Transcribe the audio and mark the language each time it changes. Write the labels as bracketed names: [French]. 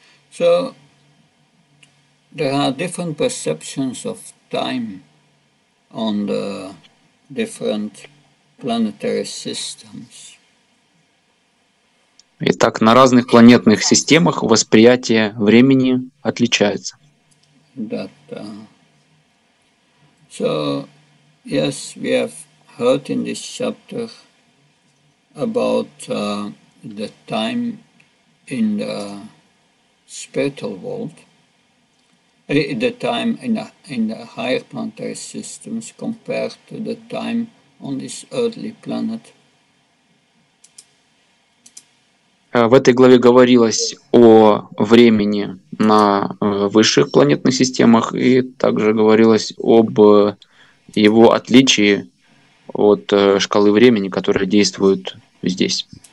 [English] So, there are different perceptions of time on the different planetary systems. [Russian] Итак, на разных планетных системах восприятие времени отличается. [English] So, yes, we have heard in this chapter about the time in the spiritual world, the time in the higher planetary systems compared to the time on this earthly planet. [Russian] В этой главе говорилось о времени на высших планетных системах и также говорилось об его отличии от шкалы времени, которая действует здесь.